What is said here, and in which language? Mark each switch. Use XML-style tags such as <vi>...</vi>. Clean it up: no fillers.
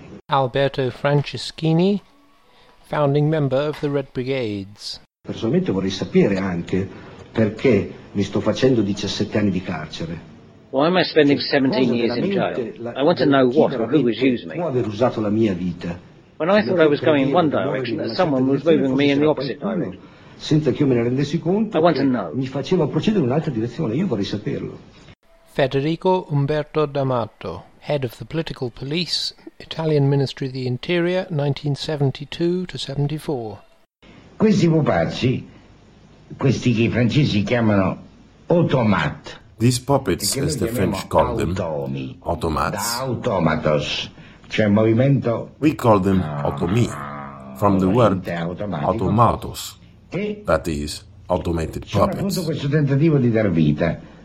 <en>Alberto Franceschini, founding member of the Red Brigades.</en> <it>Personalmente vorrei sapere anche perché mi sto facendo 17 anni di carcere.</it> <en>Why am I spending 17 years in jail? I want to know what or who has used me.</en> <it>Aver usato la mia vita.</it> <en>When I thought I was going in one direction, that someone was moving me in the opposite direction.</en> <it>Senza che io me ne rendessi conto,</it> <en>I want to know.</en> <it>Mi faceva procedere in un'altra direzione. Io vorrei saperlo.</it> <en>Federico Umberto D'Amato, head of the political police, Italian Ministry of the Interior, 1972-74.</en> <it>Questi pupazzi, questi che i francesi chiamano automat.</it> <en>These puppets, as the French call them, automats.</en> <it>Automatos, cioè movimento.</it> <en>We call them automi, from the word automatos, that is, automated puppets.</en> <it>Questo tentativo di dar vita.</it>